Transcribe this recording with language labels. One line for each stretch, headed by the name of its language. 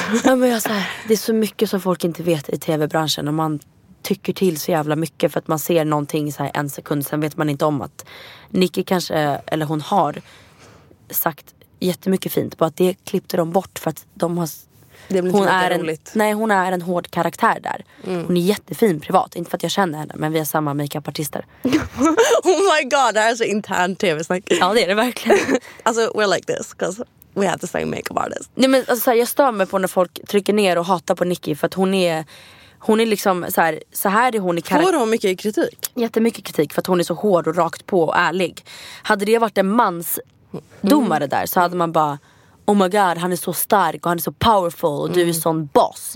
Swedish: Ja, men jag, så här, det är så mycket som folk inte vet i tv-branschen, och man tycker till så jävla mycket för att man ser någonting så här en sekund, sen vet man inte om att Nicki kanske, eller hon har sagt jättemycket fint, på att det klippte de bort för att de har, det blir hon, är en, nej, hon är en hård karaktär där. Mm. Hon är jättefin privat, inte för att jag känner henne, men vi är samma makeup-artister.
English: Oh my god,
Swedish: det här är så intern tv-snack. Ja, det är det verkligen. Alltså,
English: we're like this, because we have the same makeup artist.
Swedish: Nej, men alltså, så här, jag stör mig på när folk trycker ner och hatar på Nicki för att hon är liksom så här är hon i karaktär. Får hon mycket kritik? Jättemycket kritik för att hon är så hård och rakt på och ärlig. Hade det varit en mansdomare där så hade man bara,
English: oh my god,
Swedish: han är så stark och han är så powerful och du är sån boss.